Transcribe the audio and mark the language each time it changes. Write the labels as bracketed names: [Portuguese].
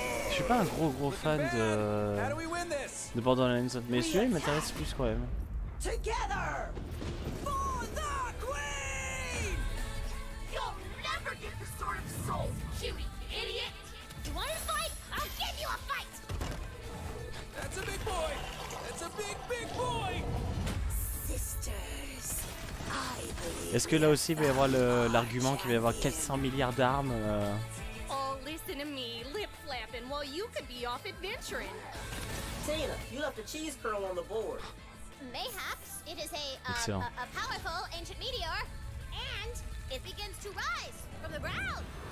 [French] Je suis pas un gros fan de Borderlands, mais celui-là il m'intéresse plus quand même. [English] Together for the queen! You'll never get the sword of souls, Chewie, idiot! You want a fight? I'll give you a fight! That's a big boy! That's a big, big boy! Sisters, I believe. [French] Est-ce que là aussi il va y avoir l'argument qu'il va y avoir 400 milliards d'armes? [English] Listen to me, lip flapping, while you could be off adventuring. Tina, you left a cheese curl on the board. Mayhaps it is a powerful ancient meteor, and it begins to rise from the ground.